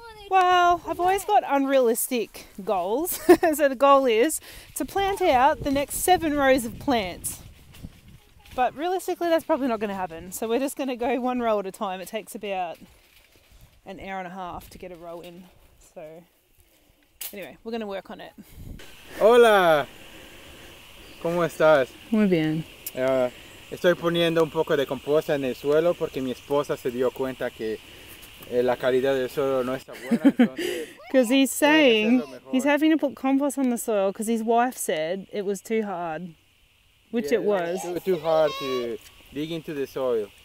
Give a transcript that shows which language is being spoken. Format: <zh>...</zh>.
<en>Well, I've always got unrealistic goals. So the goal is to plant out the next 7 rows of plants. But realistically, that's probably not going to happen. So we're just going to go 1 row at a time. It takes about an hour and a half to get a row in. So anyway, we're going to work on it.</en> <es>Hola. ¿Cómo estás? Muy bien. Estoy poniendo un poco de composta en el suelo porque mi esposa se dio cuenta que la calidad del suelo no está buena.</es> <en>Because he's saying he's having to put compost on the soil because his wife said it was too hard, which it was. It was too hard to dig into the soil.</en>